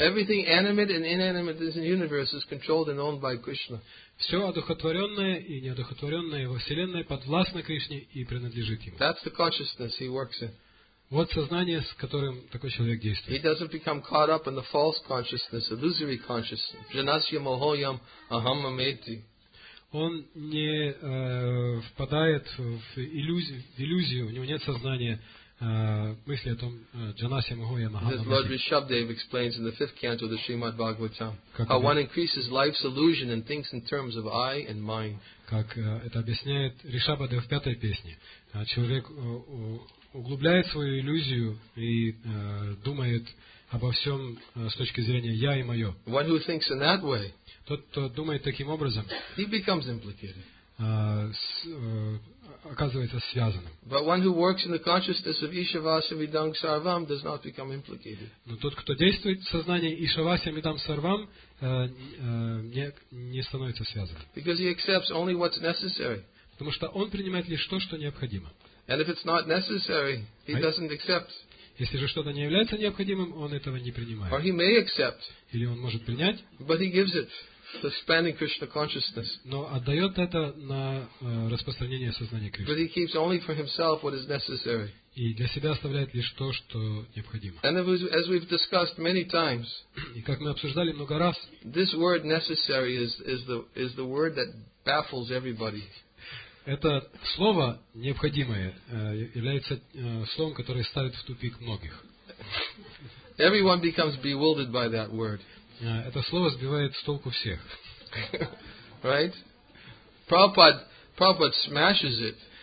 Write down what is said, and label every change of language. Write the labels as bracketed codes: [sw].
[en] Everything animate and inanimate in the universe is controlled and owned by Krishna. [ru] Все одухотворенное и неодухотворенное во Вселенной подвластно Кришне и принадлежит ему. [en] That's the consciousness he works in. [ru] Вот сознание, с которым такой человек действует. [en] He doesn't become caught up in the false consciousness, illusory consciousness. [sa] Janasya mohoyam ahamameti. [ru] Он не впадает в иллюзию, у него нет сознания мысли о том [sa] Janasya mohoyam ahamameti. [en] Lord Rishabhdev explains in the fifth canto of the Srimad Bhagavatam how one increases life's illusion and thinks in terms of I and mine. [ru] Как это объясняет Ришабхадев в пятой песне. Человек углубляет свою иллюзию и думает обо всем с точки зрения «я» и «моё». [en] One who thinks in that way, [ru] тот, кто думает таким образом, [en] he becomes implicated. [ru] Оказывается связанным. [en] But one who works in the consciousness of [sa] Ishavasya Midang Sarvam [en] does not become implicated. [ru] Но тот, кто действует в сознании [sa] Ишавасья Мидам Сарвам, [ru] не становится связанным. [en] Because he accepts only what's necessary. [ru] Потому что он принимает лишь то, что необходимо. [en] And if it's not necessary, he doesn't accept. [ru] Если же что-то не является необходимым, он этого не принимает. [en] Or he may accept. [ru] Или он может принять. [en] But he gives it for expanding Krishna consciousness. [ru] Но отдает это на распространение сознания Кришны. [en] But he keeps only for himself what is necessary. [ru] И для себя оставляет лишь то, что необходимо. [en] And as we've discussed many times. [ru] И как мы обсуждали много раз. [en] This word necessary is the word that baffles everybody. [ru] Это слово «необходимое» является словом, которое ставит в тупик многих. [en] Everyone becomes bewildered by that word. [ru] Это слово сбивает с толку всех. [en] Right? Prabhupada smashes it.